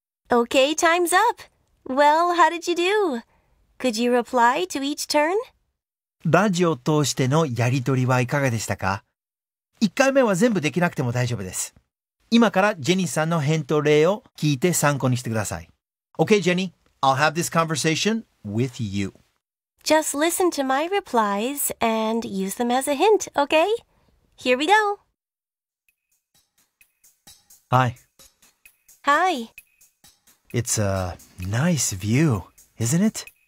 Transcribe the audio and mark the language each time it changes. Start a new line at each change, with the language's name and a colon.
English: Okay, time's up. Well, how did you do? Could you reply to each turn?
Japanese: ラジオ通してのやりとりはいかがでしたか ?1 回目は全部できなくても大丈夫です。今からジェニーさんの返答例を聞いて参考にしてください。
English: Okay, Jenny, I'll have this conversation with you. Just listen to my replies and use them as a hint, okay? Here we go. Hi. Hi. It's a nice view, isn't it?